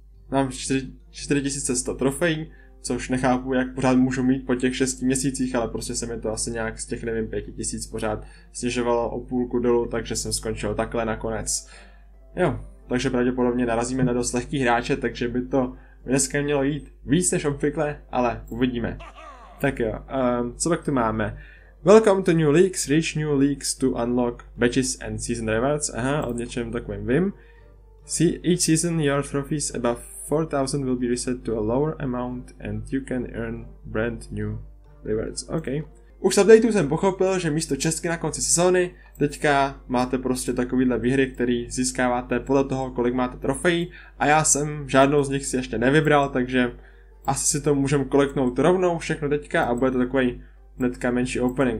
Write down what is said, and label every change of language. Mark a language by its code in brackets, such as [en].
[cs] Mám 4100 trofejí, což nechápu, jak pořád můžu mít po těch 6 měsících, ale prostě se mi to asi nějak z těch, nevím, 5000 pořád snižovalo o půlku dolů, takže jsem skončil takhle nakonec. Jo, takže pravděpodobně narazíme na dost lehký hráče, takže by to dneska mělo jít víc než obvykle, ale uvidíme. Tak jo, co pak tu máme? [en] Welcome to new leagues, reach new leagues to unlock badges and season rewards. [cs] Aha, od něčem takovým vím. [en] See, each season your trophies above 4000 will be reset to a lower amount and you can earn brand new rewards. OK. [cs] Už z updateu jsem pochopil, že místo čestky na konci sezóny teďka máte prostě takovýhle výhry, který získáváte podle toho, kolik máte trofejí, a já jsem žádnou z nich si ještě nevybral, takže asi si to můžem kolektnout rovnou všechno teďka a bude to takový netka menší opening.